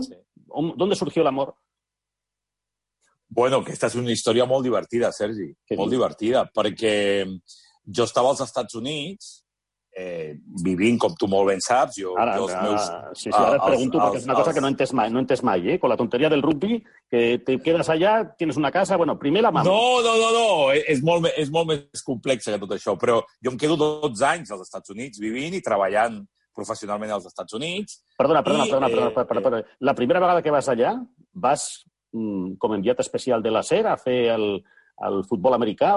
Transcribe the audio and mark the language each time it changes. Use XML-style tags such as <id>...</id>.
<es>Sí. ¿Dónde surgió el amor?</es> <ca>Bueno, aquesta és una història molt divertida, Sergi. Molt divertida, perquè jo estava als Estats Units... vivint, com tu molt ben saps, jo... Ara, jo els meus, ara et pregunto, perquè és una cosa que no entes mai, eh?</ca> <es>Con la tonteria del rugby, que te quedes allà, tienes una casa...</es> <ca>Bueno, primer la mama. No, és molt més complex que tot això, però jo em quedo 12 anys als Estats Units vivint i treballant professionalment als Estats Units. Perdona. La primera vegada que vas allà, vas com a enviat especial de la SER a fer el futbol americà?</ca>